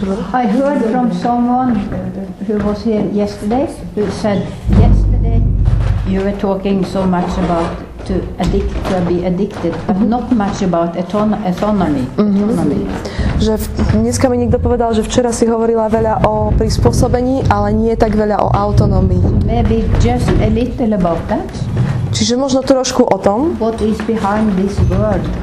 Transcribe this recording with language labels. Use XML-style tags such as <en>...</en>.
<en>I heard from someone who was here yesterday who said yesterday you were talking so much about to be addicted, but not much about autonomy.</en> <sk>Že dneska mi niekto povedal, že včera si hovorila veľa o prispôsobení, ale nie tak veľa o autonomii.</sk> <en>Maybe just a little about that.</en> <sk>Čiže možno trošku o tom,</sk> <en>what is behind this word?</en>